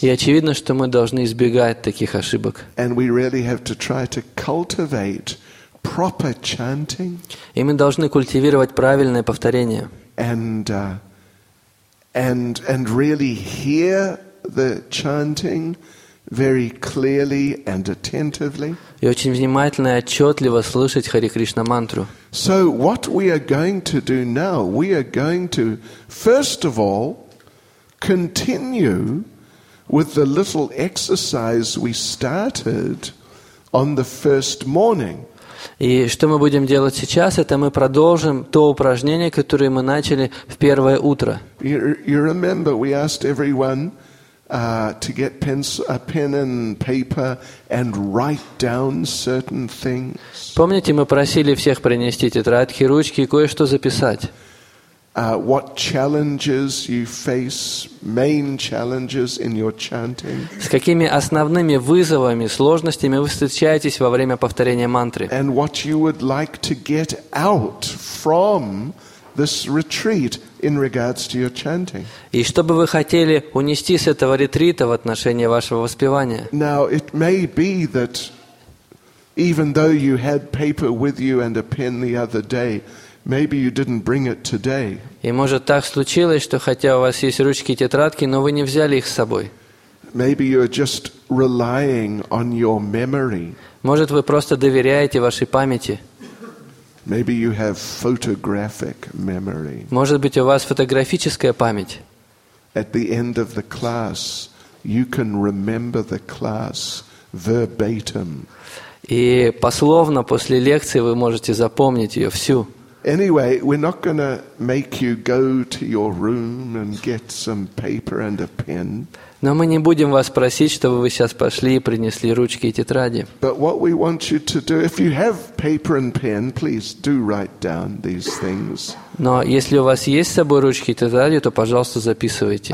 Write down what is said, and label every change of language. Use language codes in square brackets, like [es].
[ru] И очевидно, что мы должны избегать таких ошибок. [en] And we really have to try to cultivate proper chanting. [ru] И мы должны культивировать правильное повторение. [en] And really hear the chanting very clearly and attentively. [ru] И очень внимательно и отчетливо слушать Hare Krishna мантру. [en] So what we are going to do now, we are going to, first of all, continue with the little exercise we started on the first morning. [ru] И что мы будем делать сейчас, это мы продолжим то упражнение, которое мы начали в первое утро. [en] You remember we asked everyone to get a pen and paper and write down certain things. [ru] Помните, мы просили всех принести тетрадки, ручки и кое-что записать. [en] What challenges you face, main challenges in your chanting. [ru] С какими основными вызовами, сложностями вы встречаетесь во время повторения мантры. [en] And what you would like to get out from this retreat in regards to your chanting. [ru] И что бы вы хотели унести с этого ретрита в отношении вашего воспевания? [en] Now it may be that even though you had paper with you and a pen the other day, maybe you didn't bring it today. [ru] И может так случилось, что хотя у вас есть ручки и тетрадки, но вы не взяли их с собой. [en] Maybe you're just relying on your memory. [ru] Может вы просто доверяете вашей памяти? [en] Maybe you have photographic memory. [ru] Может быть, у вас фотографическая память. [en] At the end of the class, you can remember the class verbatim. [ru] И пословно после лекции вы можете запомнить ее всю. [en] Anyway, we're not going to make you go to your room and get some paper and a pen. [ru] Но мы не будем вас просить, чтобы вы сейчас пошли и принесли ручки и тетради. [en] But what we want you to do, if you have paper and pen, please do write down these things. [ru] Но если у вас есть с собой ручки и тетради, то, пожалуйста, записывайте.